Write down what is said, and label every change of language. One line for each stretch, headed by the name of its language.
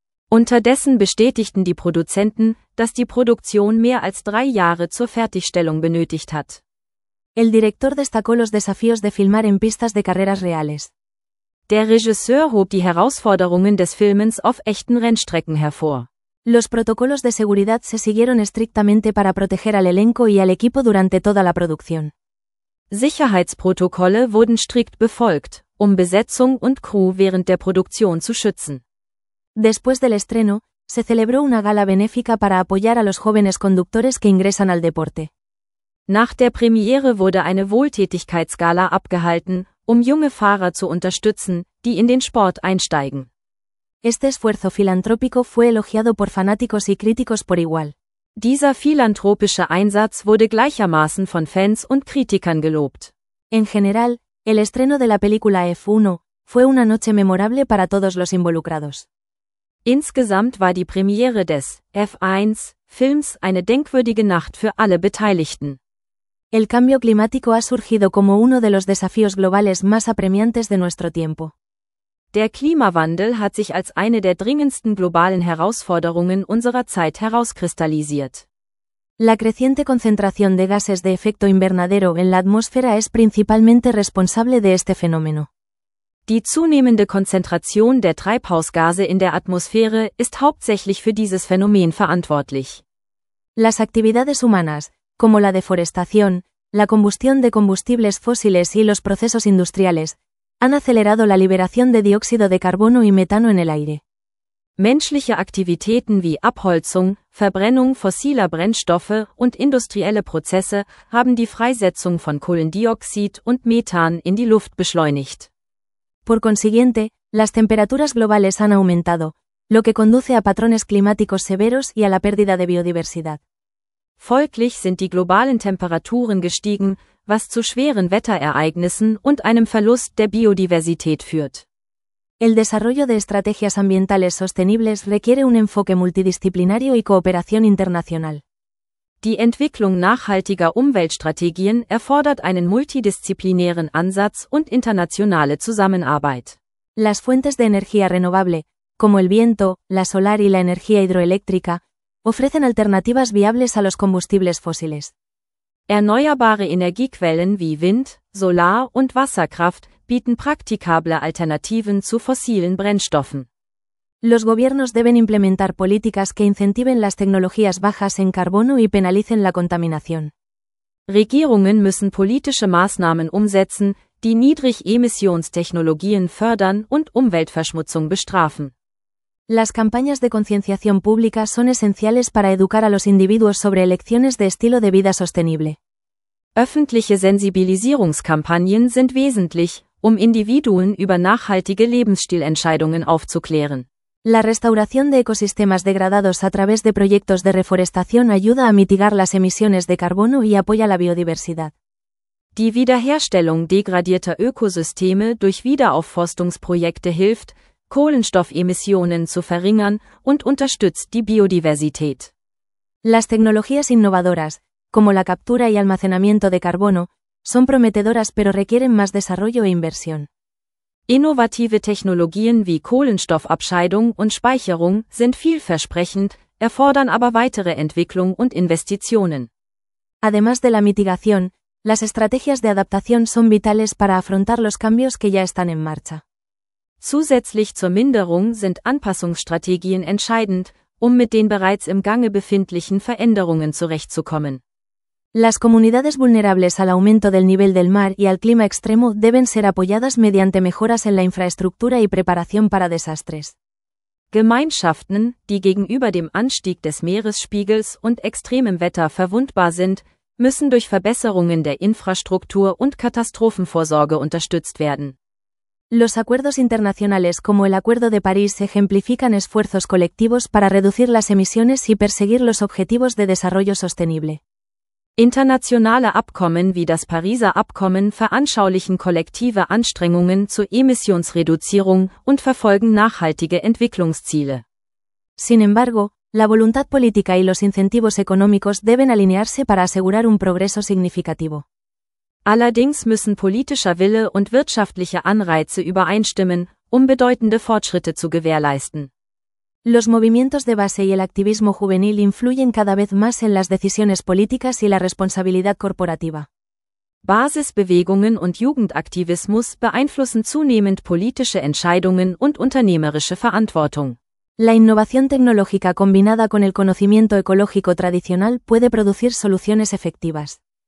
German: Unterdessen bestätigten die Produzenten, dass die Produktion mehr als 3 Jahre zur Fertigstellung benötigt hat.
Spanish: El director destacó los desafíos de filmar en pistas de carreras reales.
German: Der Regisseur hob die Herausforderungen des Filmens auf echten Rennstrecken hervor.
Spanish: Los protocolos de seguridad se siguieron estrictamente para proteger al elenco y al equipo durante toda la producción.
German: Sicherheitsprotokolle wurden strikt befolgt, um Besetzung und Crew während der Produktion zu schützen.
Spanish: Después del estreno, se celebró una gala benéfica para apoyar a los jóvenes conductores que ingresan al deporte.
German: Nach der Premiere wurde eine Wohltätigkeitsgala abgehalten, um junge Fahrer zu unterstützen, die in den Sport einsteigen.
Spanish: Este esfuerzo filantrópico fue elogiado por fanáticos y críticos por igual.
German: Dieser philanthropische Einsatz wurde gleichermaßen von Fans und Kritikern gelobt.
Spanish: En general, el estreno de la película F1 fue una noche memorable para todos los involucrados.
German: Insgesamt war die Premiere des F1-Films eine denkwürdige Nacht für alle Beteiligten.
Spanish: El cambio climático ha surgido como uno de los desafíos globales más apremiantes de nuestro tiempo.
German: Der Klimawandel hat sich als eine der dringendsten globalen Herausforderungen unserer Zeit herauskristallisiert.
Spanish: La creciente concentración de gases de efecto invernadero en la atmósfera es principalmente responsable de este fenómeno.
German: Die zunehmende Konzentration der Treibhausgase in der Atmosphäre ist hauptsächlich für dieses Phänomen verantwortlich.
Spanish: Las actividades humanas, como la deforestación, la combustión de combustibles fósiles y los procesos industriales, han acelerado la liberación de dióxido de carbono y metano en el aire.
German: Menschliche Aktivitäten wie Abholzung, Verbrennung fossiler Brennstoffe und industrielle Prozesse haben die Freisetzung von Kohlendioxid und Methan in die Luft beschleunigt.
Spanish: Por consiguiente, las temperaturas globales han aumentado, lo que conduce a patrones climáticos severos y a la pérdida de biodiversidad.
German: Folglich sind die globalen Temperaturen gestiegen, was zu schweren Wetterereignissen und einem Verlust der Biodiversität führt.
Spanish: El desarrollo de estrategias ambientales sostenibles requiere un enfoque multidisciplinario y cooperación internacional.
German: Die Entwicklung nachhaltiger Umweltstrategien erfordert einen multidisziplinären Ansatz und internationale Zusammenarbeit.
Spanish: Las fuentes de energía renovable, como el viento, la solar y la energía hidroeléctrica, ofrecen alternativas viables a los combustibles fósiles.
German: Erneuerbare Energiequellen wie Wind, Solar und Wasserkraft bieten praktikable Alternativen zu fossilen Brennstoffen.
Spanish: Los gobiernos deben implementar políticas que incentiven las tecnologías bajas en carbono y penalicen la contaminación.
German: Regierungen müssen politische Maßnahmen umsetzen, die Niedrig-Emissionstechnologien fördern und Umweltverschmutzung bestrafen.
Spanish: Las campañas de concienciación pública son esenciales para educar a los individuos sobre elecciones de estilo de vida sostenible.
German: Öffentliche Sensibilisierungskampagnen sind wesentlich, um Individuen über nachhaltige Lebensstilentscheidungen aufzuklären.
Spanish: La restauración de ecosistemas degradados a través de proyectos de reforestación ayuda a mitigar las emisiones de carbono y apoya la biodiversidad.
German: Die Wiederherstellung degradierter Ökosysteme durch Wiederaufforstungsprojekte hilft, Kohlenstoffemissionen zu verringern und unterstützt die Biodiversität.
Spanish: Las tecnologías innovadoras, como la captura y almacenamiento de carbono, son prometedoras pero requieren más desarrollo e inversión.
German: Innovative Technologien wie Kohlenstoffabscheidung und Speicherung sind vielversprechend, erfordern aber weitere Entwicklung und Investitionen.
Spanish: Además de la mitigación, las estrategias de adaptación son vitales para afrontar los cambios que ya están en marcha.
German: Zusätzlich zur Minderung sind Anpassungsstrategien entscheidend, um mit den bereits im Gange befindlichen Veränderungen zurechtzukommen.
Spanish: Las comunidades vulnerables al aumento del nivel del mar y al clima extremo deben ser apoyadas mediante mejoras en la infraestructura y preparación para desastres.
German: Gemeinschaften, die gegenüber dem Anstieg des Meeresspiegels und extremem Wetter verwundbar sind, müssen durch Verbesserungen der Infrastruktur und Katastrophenvorsorge unterstützt werden.
Spanish: Los acuerdos internacionales como el Acuerdo de París ejemplifican esfuerzos colectivos para reducir las emisiones y perseguir los objetivos de desarrollo sostenible.
German: Internationale Abkommen wie das Pariser Abkommen veranschaulichen kollektive Anstrengungen zur Emissionsreduzierung und verfolgen nachhaltige Entwicklungsziele.
Spanish: Sin embargo, la voluntad política y los incentivos económicos deben alinearse para asegurar un progreso significativo.
German: Allerdings müssen politischer Wille und wirtschaftliche Anreize übereinstimmen, um bedeutende Fortschritte zu gewährleisten.
Spanish: Los movimientos de base y el activismo juvenil influyen cada vez más en las decisiones políticas y la responsabilidad corporativa.
German: Basisbewegungen und Jugendaktivismus beeinflussen zunehmend politische Entscheidungen und unternehmerische Verantwortung.
Spanish: La innovación tecnológica combinada con el conocimiento ecológico tradicional puede producir soluciones efectivas.